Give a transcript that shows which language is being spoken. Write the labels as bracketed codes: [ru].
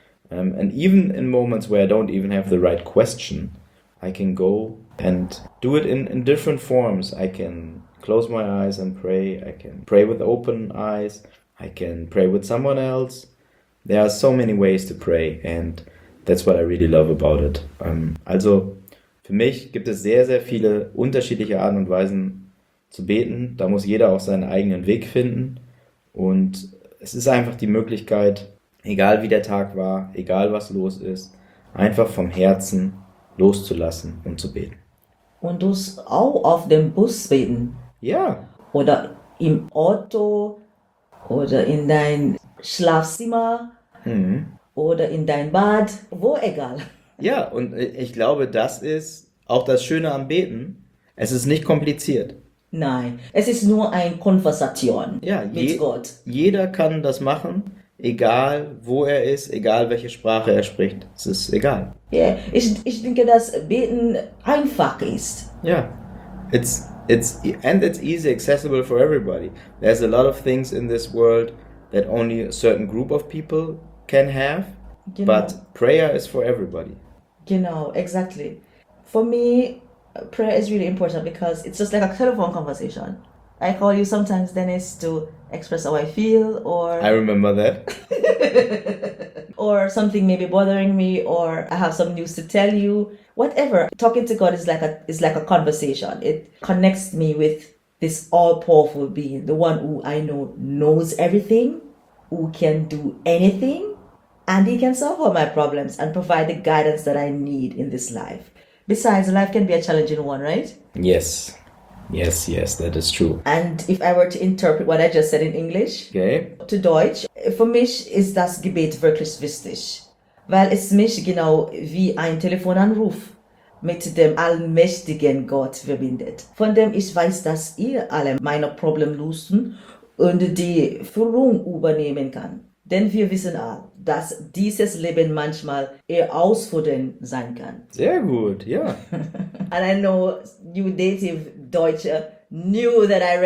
[en] And even in moments where I don't even have the right question, I can go and do it in different forms. I can close my eyes and pray. I can pray with open eyes. I can pray with someone else. There are so many ways to pray and that's what I really love about it. [de] Also für mich gibt es sehr, sehr viele unterschiedliche Arten und Weisen zu beten. Da muss jeder auch seinen eigenen Weg finden. Und es ist einfach die Möglichkeit, egal wie der Tag war, egal was los ist, einfach vom Herzen loszulassen und zu beten. Und du auch auf dem Bus beten? Ja. Oder im Auto oder in dein Schlafzimmer oder in dein Bad, wo egal. Ja, und ich glaube, das ist auch das Schöne am Beten. Es ist nicht kompliziert. Nein, es ist nur ein Konversation, ja, mit Gott. Jeder kann das machen. Egal, wo er ist, egal, welche Sprache er spricht, es ist egal. Ja, [en] yeah, [de] ich denke, dass Beten einfach ist. [en] Ja, yeah. it's easy, accessible for everybody. There's a lot of things in this world that only a certain group of people can have, [de] genau. [en] But prayer is for everybody. [de] Genau, [en] exactly. For me, prayer is really important because it's just like a telephone conversation. I call you sometimes, Dennis, to express how I feel, I remember that. or something may be bothering me, or I have some news to tell you. Whatever. Talking to God is like a conversation. It connects me with this all-powerful being, the one who I know knows everything, who can do anything, and he can solve all my problems and provide the guidance that I need in this life. Besides, life can be a challenging one, right? Yes, that is true. And if I were to interpret what I just said in English Okay. [de] to Deutsch, für mich ist das Gebet wirklich wichtig, weil es mich genau wie ein Telefonanruf mit dem allmächtigen Gott verbindet, von dem ich weiß, dass er alle meine Probleme lösen und die Führung übernehmen kann. Denn wir wissen alle, dass dieses Leben manchmal herausfordernd sein kann. Sehr gut, ja. [en] And I know you native Deutsche knew that